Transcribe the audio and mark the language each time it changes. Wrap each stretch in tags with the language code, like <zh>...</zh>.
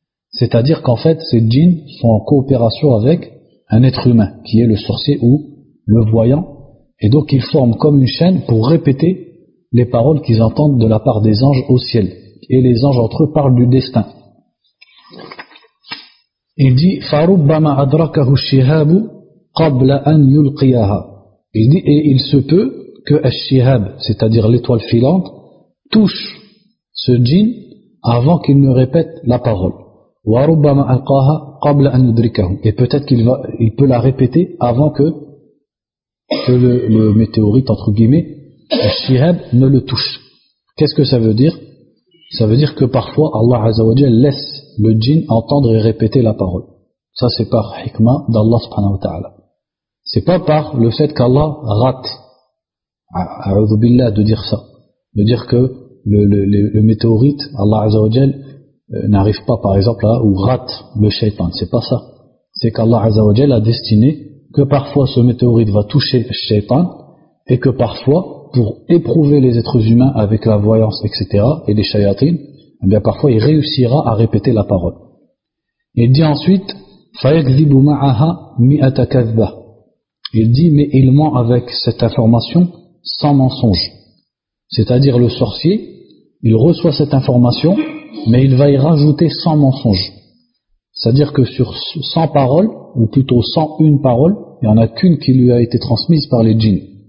<fr>C'est-à-dire qu'en fait, ces djinns sont en coopération avec un être humain, qui est le sorcier ou le voyant. Et donc, ils forment comme une chaîne pour répéter les paroles qu'ils entendent de la part des anges au ciel. Et les anges entre eux parlent du destin. Il dit,</fr> <ar>فَرُبَّمَا أَدْرَكَهُ الشِّهَابُ قَبْلَ أَنْ يُلْقِيَهَا.</ar> <fr>Il dit, et il se peut que Ash-Shihab, c'est-à-dire l'étoile filante, touche ce djinn avant qu'il ne répète la parole.</fr> <ar>وَرُبَّمَا أَلْقَاهَا قَبْلَ أَنْ يُدْرِكَهُ.</ar> <fr>Et peut-être qu'il peut la répéter avant que le météorite, entre guillemets, Ash-Shihab, ne le touche. Qu'est-ce que ça veut dire? Ça veut dire que parfois, Allah Azza wa Jalla laisse le djinn entendre et répéter la parole. Ça, c'est par hikmah d'Allah subhanahu wa ta'ala. C'est pas par le fait qu'Allah rate, a'udhu billah, de dire ça. De dire que le météorite, Allah Azza wa Jal, n'arrive pas, par exemple, ou rate le shaytan. C'est pas ça. C'est qu'Allah Azza wa Jal a destiné que parfois ce météorite va toucher le shaytan, et que parfois, pour éprouver les êtres humains avec la voyance, etc., et les shayatines, eh bien parfois il réussira à répéter la parole. Il dit ensuite,</fr> <ar>فَيَكْذِبُ مَعَهَا مِئَةَ كَذْبَةً.</ar> <fr>Il dit, mais il ment avec cette information sans mensonge. C'est-à-dire le sorcier, il reçoit cette information, mais il va y rajouter 100 mensonges. C'est-à-dire que sur 100 paroles, ou plutôt 101 paroles, il n'y en a qu'une qui lui a été transmise par les djinns.</fr>